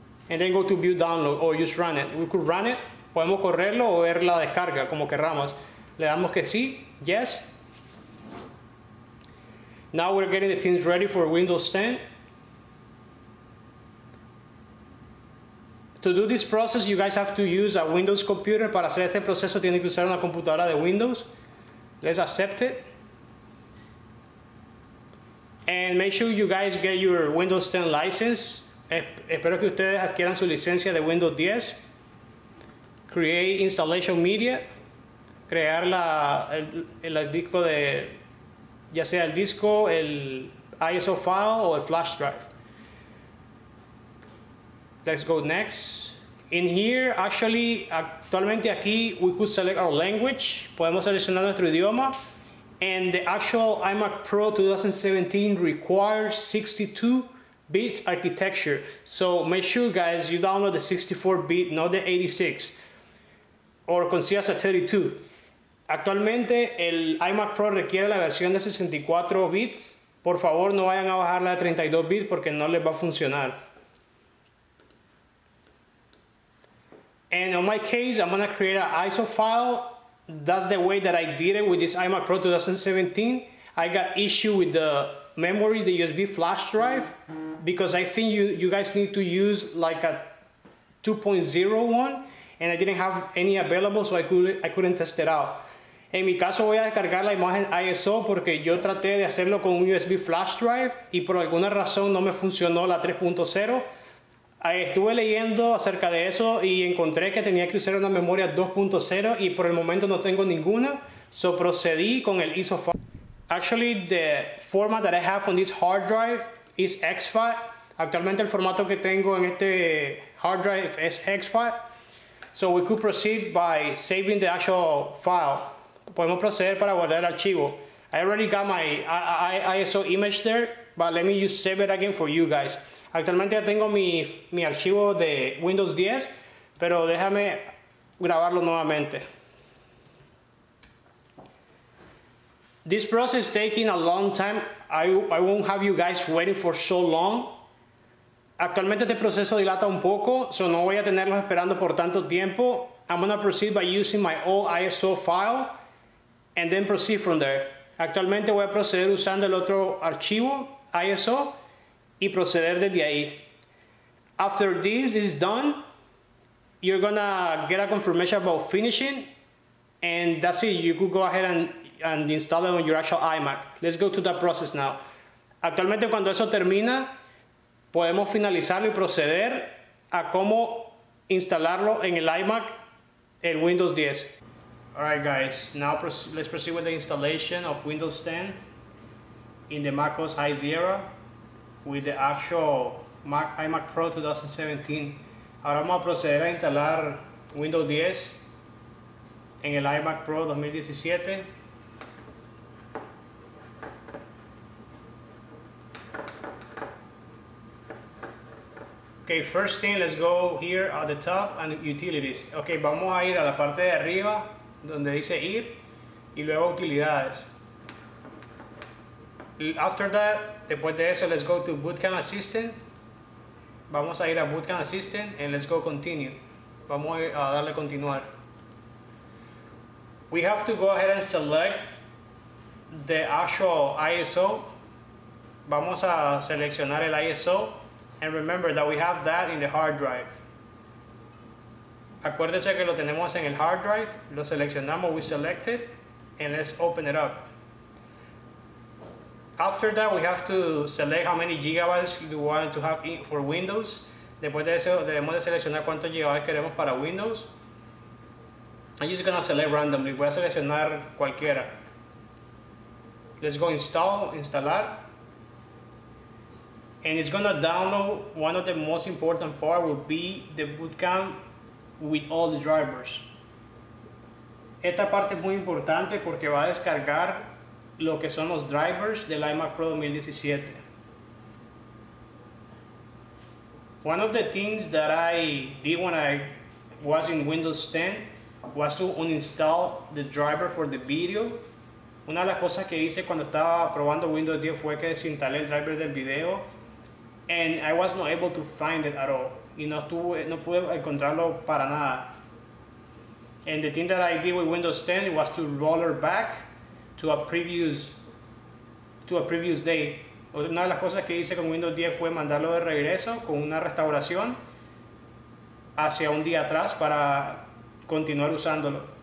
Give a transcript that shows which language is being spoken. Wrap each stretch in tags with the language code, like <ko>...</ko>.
<en>And then go to view download, or just run it. We could run it,</en> <es>podemos correrlo o ver la descarga, como querramos. Le damos que sí,</es> <en>yes. Now we're getting the things ready for Windows 10. To do this process, you guys have to use a Windows computer.</en> <es>Para hacer este proceso, tienen que usar una computadora de Windows.</es> <en>Let's accept it. And make sure you guys get your Windows 10 license.</en> <es>Espero que ustedes adquieran su licencia de Windows 10.</es> <en>Create installation media.</en> <es>Crear el disco de, ya sea el disco, el ISO file o el flash drive.</es> <en>Let's go next. In here, actually,</en> <es>actualmente aquí,</es> <en>we could select our language.</en> <es>Podemos seleccionar nuestro idioma.</es> <en>And the actual iMac Pro 2017 requires 62 bits architecture. So make sure, guys, you download the 64 bit, not the 86.</en> <es>Or consigas a 32. Actualmente, el iMac Pro requiere la versión de 64 bits. Por favor, no vayan a bajarla a 32 bits porque no les va a funcionar.</es> <en>And on my case, I'm gonna create an ISO file. That's the way that I did it with this iMac Pro 2017. I got issue with the memory, the USB flash drive, because I think you guys need to use like a 2.01, and I didn't have any available, so I couldn't test it out.</en> <es>En mi caso, voy a descargar la imagen ISO porque yo traté de hacerlo con un USB flash drive y por alguna razón no me funcionó la 3.0. Estuve leyendo acerca de eso y encontré que tenía que usar una memoria 2.0 y por el momento no tengo ninguna, so procedí con el ISO file.</es> <en>Actually, the format that I have on this hard drive is exFAT.</en> <es>Actualmente el formato que tengo en este hard drive es exFAT.</es> <en>So we could proceed by saving the actual file.</en> <es>Podemos proceder para guardar el archivo.</es> <en>I already got my ISO image there, but let me just save it again for you guys.</en> <es>Actualmente ya tengo mi archivo de Windows 10, pero déjame grabarlo nuevamente.</es> <en>This process is taking a long time. I won't have you guys waiting for so long.</en> <es>Actualmente este proceso dilata un poco, so no voy a tenerlos esperando por tanto tiempo.</es> <en>I'm gonna proceed by using my old ISO file and then proceed from there.</en> <es>Actualmente voy a proceder usando el otro archivo ISO y proceder desde ahí.</es> <en>After this is done, you're gonna get a confirmation about finishing, and that's it. You could go ahead and install it on your actual iMac. Let's go to that process now.</en> <es>Actualmente cuando eso termina, podemos finalizarlo y proceder a cómo instalarlo en el iMac, el Windows 10.</es> <en>All right guys, now let's proceed with the installation of Windows 10 in the macOS High Sierra with the actual iMac Pro 2017.</en> <es>Ahora vamos a proceder a instalar Windows 10 en el iMac Pro 2017.</es> <en>Okay, first thing, let's go here at the top and utilities.</en> <es>Okay, vamos a ir a la parte de arriba donde dice ir y luego utilidades.</es> <en>After that,</en> <es>después de eso,</es> <en>let's go to Bootcamp Assistant.</en> <es>Vamos a ir a Bootcamp Assistant</es> <en>and let's go continue.</en> <es>Vamos a darle continuar.</es> <en>We have to go ahead and select the actual ISO.</en> <es>Vamos a seleccionar el ISO.</es> <en>And remember that we have that in the hard drive.</en> <es>Acuérdense que lo tenemos en el hard drive. Lo seleccionamos,</es> <en>we select it. And let's open it up. After that, we have to select how many gigabytes you want to have for Windows.</en> <es>Después de eso, debemos de seleccionar cuántos gigabytes queremos para Windows.</es> <en>I'm just gonna select randomly.</en> <es>Voy a seleccionar cualquiera.</es> <en>Let's go install,</en> <es>instalar.</es> <en>And it's gonna download one of the most important part will be the bootcamp with all the drivers.</en> <es>Esta parte es muy importante porque va a descargar lo que son los drivers del iMac Pro 2017.</es> <en>One of the things that I did when I was in Windows 10 was to uninstall the driver for the video.</en> <es>Una de las cosas que hice cuando estaba probando Windows 10 fue que desinstalé el driver del video.</es> <en>And I was not able to find it at all.</en> <es>Y no pude encontrarlo para nada.</es> <en>And the thing that I did with Windows 10 was to roll it back to a previous day.</en> <es>Una de las cosas que hice con Windows 10 fue mandarlo de regreso con una restauración hacia un día atrás para continuar usándolo.</es>